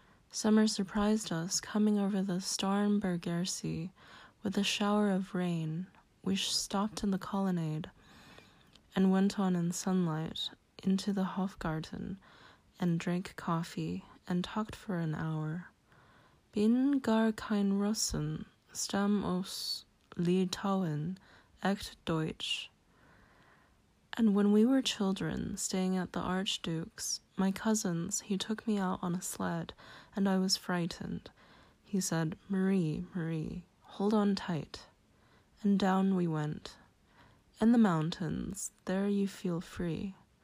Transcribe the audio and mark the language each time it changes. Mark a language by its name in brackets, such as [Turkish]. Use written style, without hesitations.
[English] Summer surprised us, coming over the Starnberger Sea with a shower of rain. We stopped in the colonnade and went on in sunlight into the Hofgarten and drank coffee and talked for an hour. [German] Bin gar kein Russen, stamm aus Litauen, echt Deutsch. [English] And when we were children, staying at the Archduke's, my cousins, he took me out on a sled, and I was frightened. He said, "Marie, Marie, hold on tight." And down we went. In the mountains, there you feel free.